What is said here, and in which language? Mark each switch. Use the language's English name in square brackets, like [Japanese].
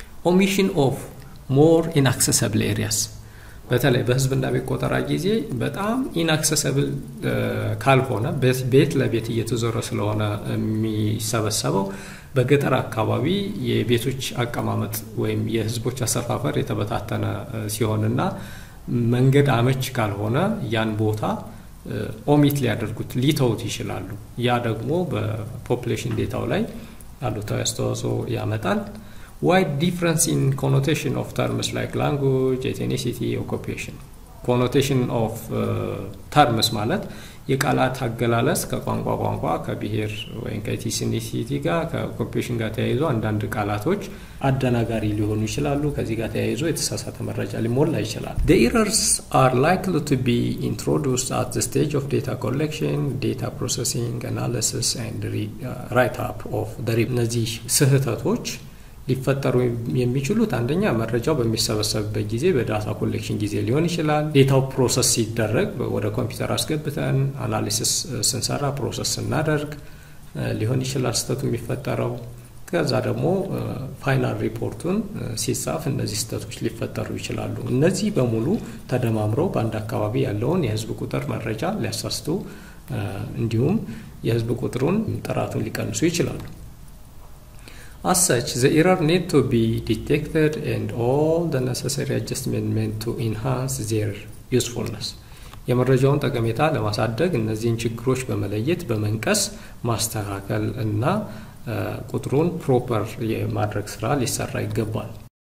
[English] omission of more inaccessible areas [Amharic] በተለይ በህዝብና ቤት ቆጠራ ጊዜ በጣም inaccessible ካልሆነ ቤት ለቤት እየተዞረ ስለሆነ የሚሰበሰበው በገጠር አካባቢ የቤቶች አቀማመጥ ወይም የህዝቦች አሰፋፈር የተበታተነ ሲሆንና መንገድ አመች ካልሆነ ያን ቦታ ኦሚት ሊያደርጉት ሊተውት ይችላሉ። ያ ደግሞ በፖፑሌሽን ዴታው ላይ አሉታዊ አስተዋጽኦ ያመጣል። [English] wide difference in connotation of terms like language, ethnicity, occupation. Connotation of terms [Amharic] ማለት የቃላት አገላለጽ ከቋንቋ ቋንቋ ከብሔር ወይም ከኢትኒሲቲ ጋር ከኮምፒሽን ጋር ተያይዞ አንዳንድ ቃላቶች አደናጋሪ ሊሆኑ ይችላሉ። ከዚህ ጋር ተያይዞ የተሳሳተ መረጃ ሊሞላ ይችላል። [English] The errors are likely to be introduced at the stage of data collection, data processing, analysis and write up of the report. [Amharic] እነዚህ ስህተቶች ሊፈጠሩ የሚችሉት አንደኛ መረጃው በሚሰበሰብበት ጊዜ በዳታ ኮሌክሽን ጊዜ ሊሆን ይችላል። ዴታው ፕሮሰስ ሲደረግ ወደ ኮምፒውተር አስገብተን አናሊሲስ ስንሰራ ፕሮሰስ እናደርግ ሊሆን ይችላል ስህተቱ የሚፈጠረው። ከዛ ደግሞ ፋይናል ሪፖርቱን ሲጻፍ እነዚህ ስህተቶች ሊፈጠሩ ይችላሉ። እነዚህ በሙሉ ተደማምረው በአንድ አካባቢ ያለውን የህዝብ ቁጥር መረጃ ሊያሳስቱ እንዲሁም የህዝብ ቁጥሩን ጥራቱን ሊቀንሱ ይችላሉ። [English] As such, the error need to be detected and all the necessary adjustment made to enhance their usefulness. [Amharic] የመረጃውን ጠቀሜታ ለማሳደግ እነዚህን ችግሮች በመለየት በመንቀስ ማስተካከል እና ቁጥሩን proper የማድረግ ስራ ሊሰራ ይገባል።